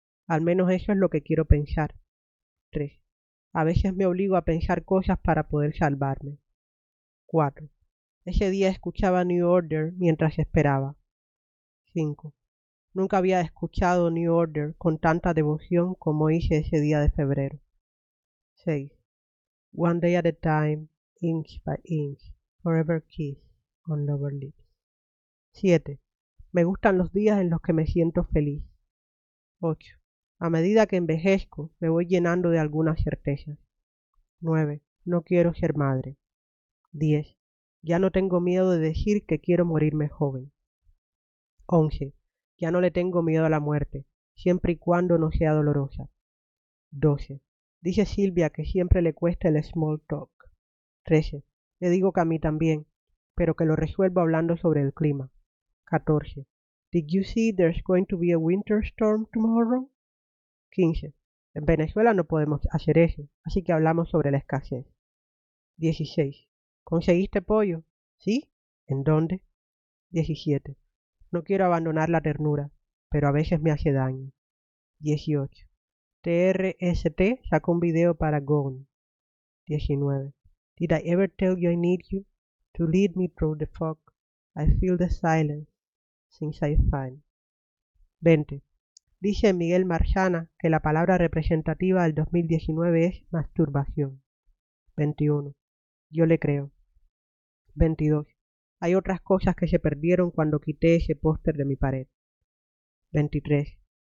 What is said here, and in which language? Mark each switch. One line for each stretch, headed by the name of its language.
Spanish: Al menos eso es lo que quiero pensar. 3. A veces me obligo a pensar cosas para poder salvarme. 4. Ese día escuchaba New Order mientras esperaba. 5. Nunca había escuchado New Order con tanta devoción como hice ese día de febrero. 6.
English: One day at a time, inch by inch, forever kiss on lover lips.
Spanish: 7. Me gustan los días en los que me siento feliz. 8. A medida que envejezco, me voy llenando de algunas certezas. 9. No quiero ser madre. 10. Ya no tengo miedo de decir que quiero morirme joven. 11. Ya no le tengo miedo a la muerte, siempre y cuando no sea dolorosa. 12. Dice Silvia que siempre le cuesta el small talk. 13. Le digo que a mí también, pero que lo resuelvo hablando sobre el clima. 14.
English: Did you see there's going to be a winter storm tomorrow?
Spanish: 15. En Venezuela no podemos hacer eso, así que hablamos sobre la escasez. 16. ¿Conseguiste pollo? ¿Sí? ¿En dónde? 17. No quiero abandonar la ternura, pero a veces me hace daño. 18. TRST sacó un video para Gone. 19.
English: Did I ever tell you I need you? To lead me through the fog. I feel the silence since I find.
Spanish: 20. Dice Miguel Marchana que la palabra representativa del 2019 es masturbación. 21. Yo le creo. 22. Hay otras cosas que se perdieron cuando quité ese póster de mi pared. 23.